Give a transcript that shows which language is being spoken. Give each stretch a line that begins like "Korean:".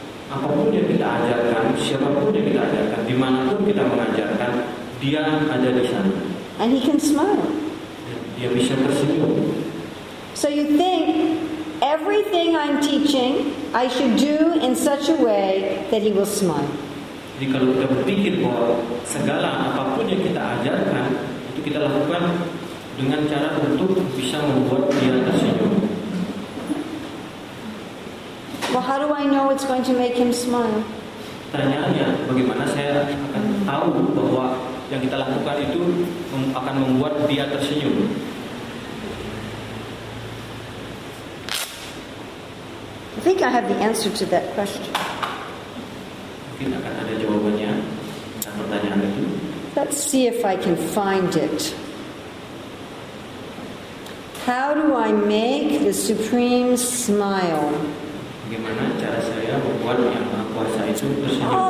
Indonesian: Apapun yang kita ajarkan, siapapun yang kita ajarkan, dimanapun kita mengajarkan, dia ada di sana.
English: And he can smile.
Indonesian: Dia bisa tersenyum.
English: So you think everything I'm teaching, I should do in such a way that he will smile.
Indonesian: Jadi kalau kita berpikir bahwa segala apapun yang kita ajarkan, itu kita lakukan dengan cara untuk bisa membuat dia tersenyum.
English: Well, how do I know it's going to make him smile?
Indonesian: Pertanyaannya, bagaimana saya akan tahu bahwa yang kita lakukan itu akan membuat dia tersenyum?
English: I think I have the answer to that question.
Indonesian: Mungkin akan ada jawabannya dan pertanyaan itu.
English: Let's see if I can find it. How do I make the Supreme smile?
Indonesian: Bagaimana cara saya membuat yang kuasa itu tersenyum?